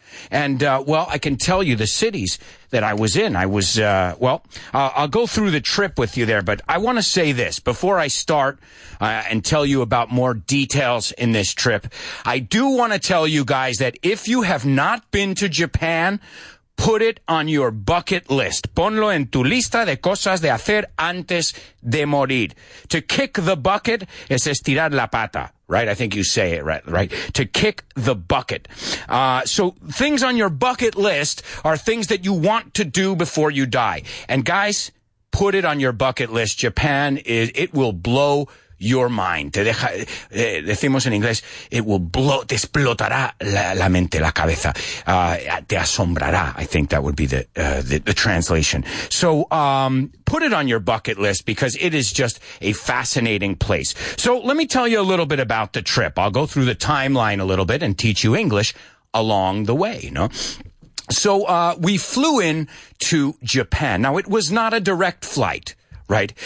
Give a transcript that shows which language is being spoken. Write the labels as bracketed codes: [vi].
[en] And, I can tell you the cities that I was in. I was, I'll go through the trip with you there, but I want to say this before I start, and tell you about more details in this trip. I do want to tell you guys that if you have not been to Japan, put it on your bucket list. [es] Ponlo en tu lista de cosas de hacer antes de morir. [en] To kick the bucket [es] es estirar la pata, [en] right? I think you say it right? To kick the bucket. So things on your bucket list are things that you want to do before you die. And guys, put it on your bucket list. Japan, it will blow your mind. [es] Te deja, decimos en inglés, [en] it will blow, [es] te explotará la mente, la cabeza. Te asombrará. [en] I think that would be the translation. So, put it on your bucket list because it is just a fascinating place. So let me tell you a little bit about the trip. I'll go through the timeline a little bit and teach you English along the way, you know? So, we flew in to Japan. Now it was not a direct flight. Right.